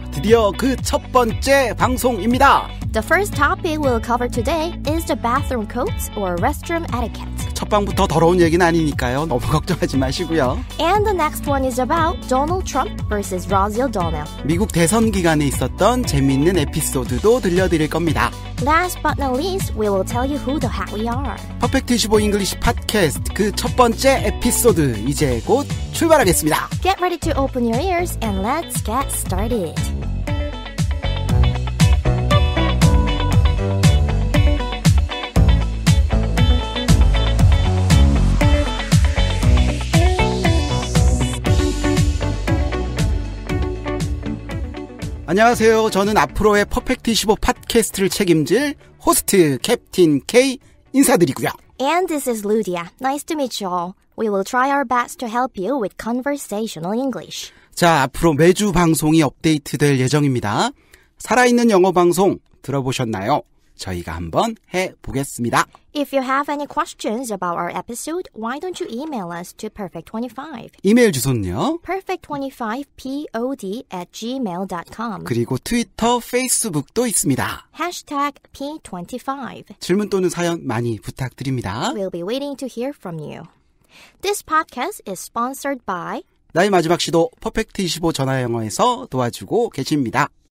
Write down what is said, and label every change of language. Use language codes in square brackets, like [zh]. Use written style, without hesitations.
[ko] 드디어 그 첫 번째 방송입니다. [en] The first topic we'll cover today is the bathroom codes or restroom etiquette. [ko] 첫방부터 더러운 얘기는 아니니까요. 너무 걱정하지 마시고요. [en] And the next one is about Donald Trump versus Rosie O'Donnell. [ko] 미국 대선 기간에 있었던 재미있는 에피소드도 들려드릴 겁니다. [en] Last but not least, we will tell you who the heck we are. [ko] Perfect 25 English Podcast 그 첫 번째 에피소드 이제 곧 출발하겠습니다. [en] Get ready to open your ears and let's get started. [ko] (웃음) 안녕하세요. 저는 앞으로의 퍼펙트 25 팟캐스트를 책임질 호스트 캡틴 K 인사드리고요. [en] And this is Ludia. Nice to meet you all. We will try our best to help you with conversational English. [ko] 자, 앞으로 매주 방송이 업데이트될 예정입니다. 살아있는 영어 방송 들어보셨나요? 저희가 한번 해보겠습니다. [en] If you have any questions about our episode, why don't you email us to perfect25? [ko] 이메일 주소는요? [en] perfect25pod@gmail.com [ko] 그리고 트위터, 페이스북도 있습니다. #P25 질문 또는 사연 많이 부탁드립니다. [en] We'll be waiting to hear from you. This podcast is sponsored by [ko] 나의 마지막 시도 퍼펙트25 전화영어에서 도와주고 계십니다.